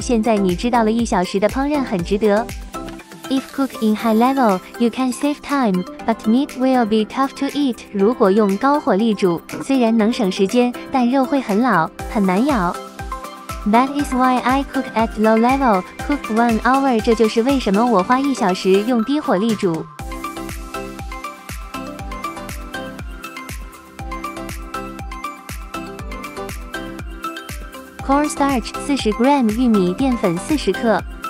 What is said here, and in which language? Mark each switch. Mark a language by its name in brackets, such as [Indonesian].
[Chinese] 现在你知道了一小时的烹饪很值得。 [English] If cook in high level, you can save time, but meat will be tough to eat. [Chinese] 如果用高火力煮，虽然能省时间，但肉会很老，很难咬。 [English] That is why I cook at low level. Cook 1 hour. [Chinese] 这就是为什么我花一小时用低火力煮。 [English] Corn starch 40g [Chinese] 玉米淀粉40克